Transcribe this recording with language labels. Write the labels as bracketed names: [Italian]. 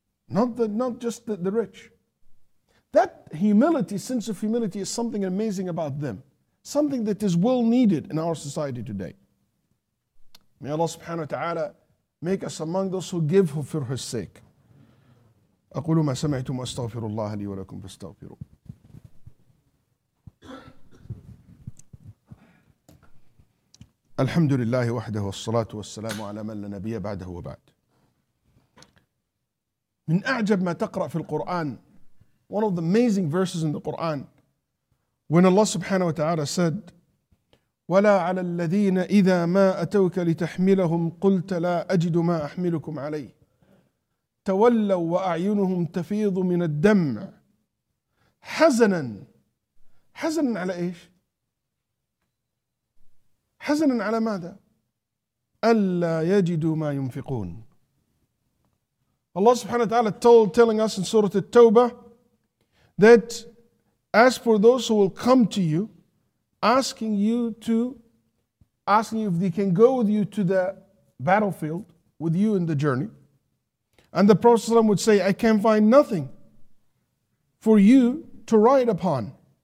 [English] Not just the rich. That humility, sense of humility, is something amazing about them. Something that is well needed in our society today. May Allah subhanahu wa ta'ala make us among those who give for His sake. [Arabic] أقول ما سمعتم وأستغفر الله لي ولكم فاستغفروا. الحمد لله وحده والصلاة والسلام على من لا نبي بعده وبعد. من أعجب ما تقرأ في القرآن, [English] one of the amazing verses in the Quran, when Allah subhanahu wa ta'ala said, [Arabic] ولا على الذين إذا ما أتوك لتحملهم قلت لا أجد ما أحملكم عليه تولوا وأعينهم تفيض من الدمع حزنا. حزنا على إيش؟ حزنا على ماذا؟ ألا يجدوا ما ينفقون. [English] Allah subhanahu wa ta'ala telling us in Surah At-Tawbah that as for those who will come to you asking you if they can go with you to the battlefield with you in the journey, and the Prophet ﷺ would say, I can find nothing for you to ride upon.